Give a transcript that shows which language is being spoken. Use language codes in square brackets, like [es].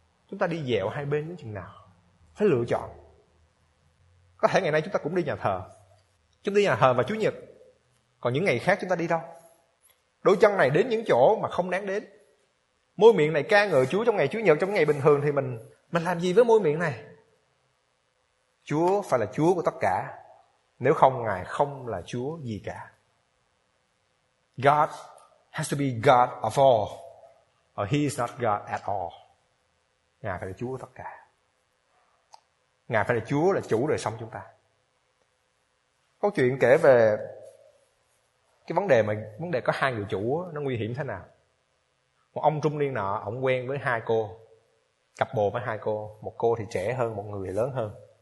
[vi] Chúng ta đi dẹo hai bên đến chừng nào, phải lựa chọn. Có thể ngày nay chúng ta cũng đi nhà thờ, chúng đi nhà thờ vào Chúa Nhật, còn những ngày khác chúng ta đi đâu? Đôi chân này đến những chỗ mà không đáng đến, môi miệng này ca ngợi Chúa trong ngày Chúa Nhật, trong ngày bình thường thì mình làm gì với môi miệng này? Chúa phải là Chúa của tất cả, nếu không Ngài không là Chúa gì cả. [en] God has to be God of all, or He is not God at all. [vi] Ngài phải là Chúa của tất cả. Ngài phải là Chúa, là chủ đời sống chúng ta. Câu chuyện kể về cái vấn đề có hai người chủ nó nguy hiểm thế nào. Một ông trung niên nọ, ông quen với hai cô, cặp bồ với hai cô, một cô thì trẻ hơn, một người thì lớn hơn.